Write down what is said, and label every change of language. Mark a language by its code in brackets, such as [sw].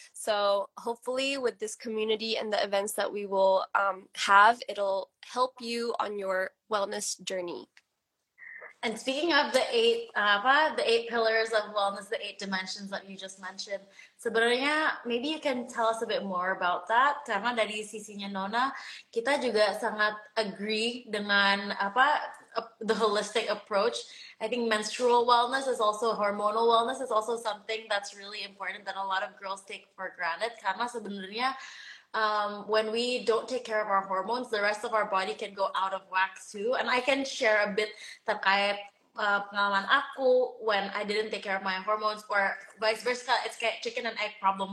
[en] So hopefully with this community and the events that we will have, it'll help you on your wellness journey. And speaking of the eight pillars of wellness, the eight dimensions that you just mentioned, sebenarnya maybe you can tell us a bit more about that. [id] Karena dari sisinya Nona, kita juga sangat agree dengan [en] the holistic approach. I think menstrual wellness is also, hormonal wellness is also something that's really important that a lot of girls take for granted. [id] Karena sebenarnya [en] when we don't take care of our hormones, the rest of our body can go out of whack too. And I can share a bit [id] terkait pengalaman aku [en] when I didn't take care of my hormones, or vice versa, it's kayak chicken and egg problem.